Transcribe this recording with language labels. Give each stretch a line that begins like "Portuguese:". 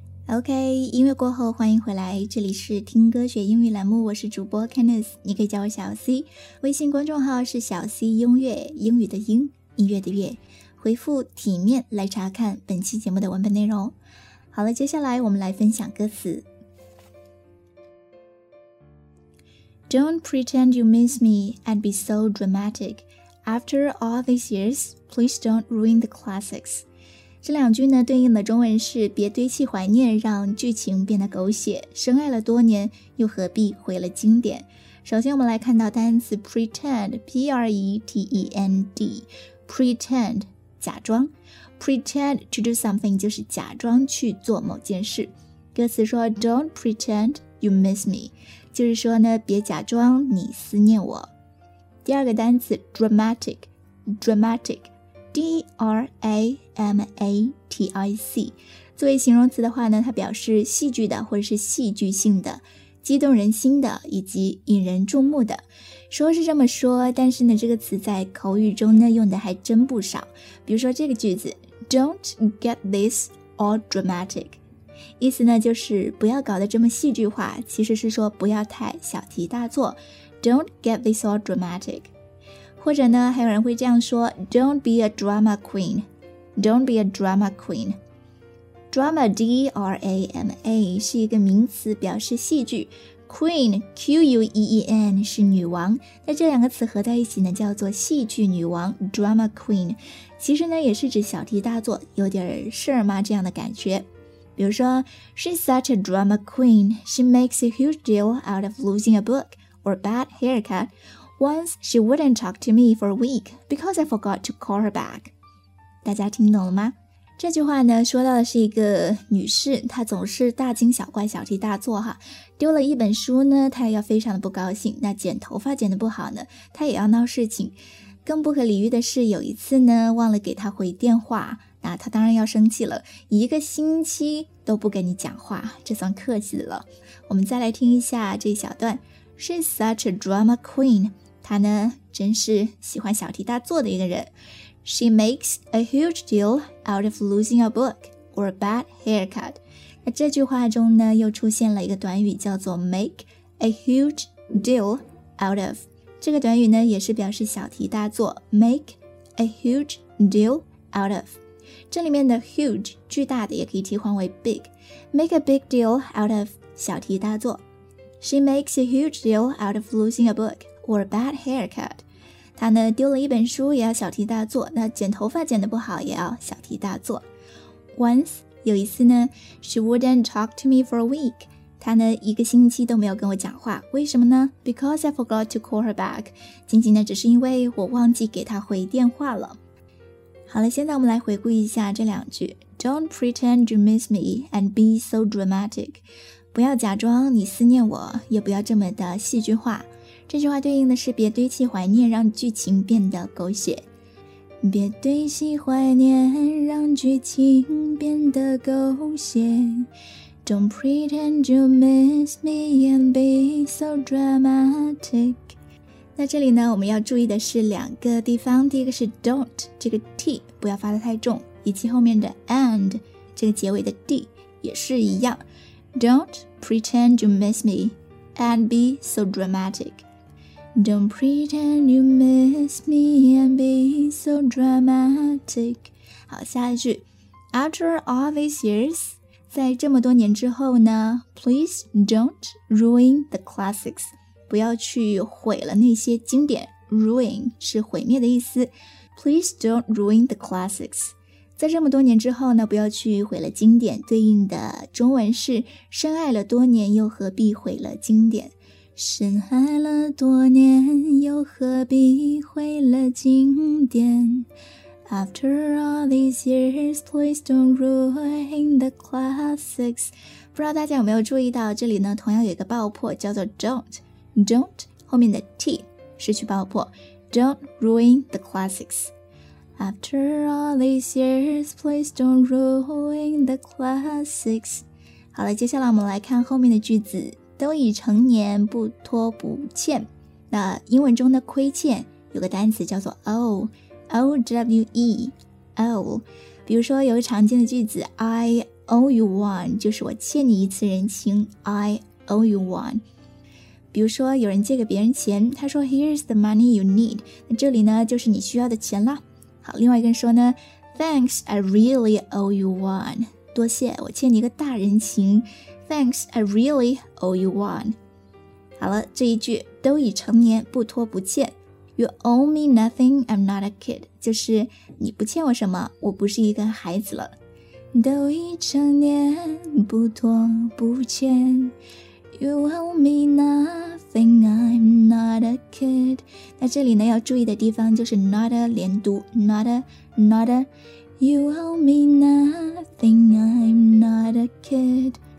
Chinese: OK, 音乐过后欢迎回来，这里是听歌学英语栏目，我是主播 Candice, 你可以叫我小 C, 微信公众号是小 C 音乐，英语的音，音乐的乐，回复体面来查看本期节目的文本内容。好了，接下来我们来分享歌词。
English: Don't pretend you miss me, I'd be so dramatic. After all these years, please don't ruin the classics.
Chinese: 这两句呢，对应的中文是别堆砌怀念，让剧情变得狗血，深爱了多年又何必毁了经典。首先我们来看到单词 pretend, P-R-E-T-E-N-D, pretend, 假装。
English: pretend to do something
Chinese: 就是假装去做某件事。歌词说
English: don't pretend you miss me,
Chinese: 就是说呢，别假装你思念我。第二个单词 dramatic, dramatic,D-R-A-M-A-T-I-C 作为形容词的话呢，它表示戏剧的或者是戏剧性的，激动人心的以及引人注目的。说是这么说，但是呢，这个词在口语中呢用的还真不少。比如说这个句子
English: Don't get this all dramatic,
Chinese: 意思呢就是不要搞得这么戏剧化，其实是说不要太小题大做。
English: Don't get this all dramatic,
Chinese: 或者呢还有人会这样说
English: Don't be a drama queen, Don't be a drama queen.
Chinese: Drama, D-R-A-M-A, 是一个名词表示戏剧。 Queen, Q-U-E-E-N, 是女王。那这两个词合在一起呢叫做戏剧女王 Drama queen, 其实呢也是指小题大做，有点事儿嘛这样的感觉。比如说
English: She's such a drama queen, She makes a huge deal out of losing a book or bad haircutOnce, she wouldn't talk to me for a week because I forgot to call her back.
Chinese: 大家听懂了吗？这句话呢，说到的是一个女士，她总是大惊小怪、小题大做哈。丢了一本书呢，她也要非常的不高兴。那剪头发剪得不好呢，她也要闹事情。更不可理喻的是，有一次呢，忘了给她回电话，那她当然要生气了。一个星期都不跟你讲话，这算客气了。我们再来听一下这小段。
English: She's such a drama queen.
Chinese: 她呢，真是喜欢小题大做的一个人。
English: She makes a huge deal out of losing a book or a bad haircut.
Chinese: 那这句话中呢，又出现了一个短语叫做
English: make a huge deal out of.
Chinese: 这个短语呢，也是表示小题大做。
English: Make a huge deal out of.
Chinese: 这里面的 huge, 巨大的，也可以替换为 big.
English: Make a big deal out of,
Chinese: 小题大做。
English: She makes a huge deal out of losing a book or a bad haircut.
Chinese: 她呢丢了一本书也要小题大做，那剪头发剪得不好也要小题大做。
English: Once,
Chinese: 有一次呢
English: She wouldn't talk to me for a week.
Chinese: 她呢一个星期都没有跟我讲话，为什么呢？
English: Because I forgot to call her back.
Chinese: 仅仅呢只是因为我忘记给她回电话了。好了，现在我们来回顾一下这两句。
English: Don't pretend you miss me and be so dramatic.
Chinese: 不要假装你思念我，也不要这么的戏剧化。这句话对应的是别堆砌怀念，让剧情变得狗血。别堆砌怀念，让剧情变得狗血。
English: Don't pretend you miss me and be so dramatic.
Chinese: 那这里呢，我们要注意的是两个地方。第一个是 don't 这个 t 不要发得太重，以及后面的 and 这个结尾的 d 也是一样。
English: Don't pretend you miss me and be so dramatic. Don't pretend you miss me and be so dramatic.
Chinese: 好，下一句。
English: After all these years,
Chinese: 在这么多年之后呢
English: please don't ruin the classics.
Chinese: 不要去毁了那些经典。 Ruin 是毁灭的意思。
English: Please don't ruin the classics.
Chinese: 在这么多年之后呢，不要去毁了经典，对应的中文是深爱了多年又何必毁了经典。深爱了多年又何必毁了经典。
English: After all these years, please don't ruin the classics.
Chinese: 不知道大家有没有注意到，这里呢同样有一个爆破叫做 don't, don't 后面的 t 失去爆破
English: Don't ruin the classics
Chinese: After all these years Please don't ruin the classics 好了接下来我们来看后面的句子都已成年不拖不欠那英文中的亏欠有个单词叫做 owe owe 比如说有个常见的句子
English: I owe you one
Chinese: 就是我欠你一次人情 I owe you one 比如说有人借给别人钱他说
English: here's the money you need
Chinese: 那这里呢就是你需要的钱啦好另外一个人说呢
English: thanks I really owe you one
Chinese: 多谢我欠你一个大人情 thanks I really owe you one 好了这一句都已成年不拖不欠
English: You owe me nothing, I'm not a kid.
Chinese: 就是你不欠我什么，我不是一个孩子了。都已成年，不拖不欠。
English: You owe me nothing, I'm not a kid.
Chinese: 那这里呢，要注意的地方就是 not a 连读 ，not a。
English: You owe me nothing, I'm not a kid.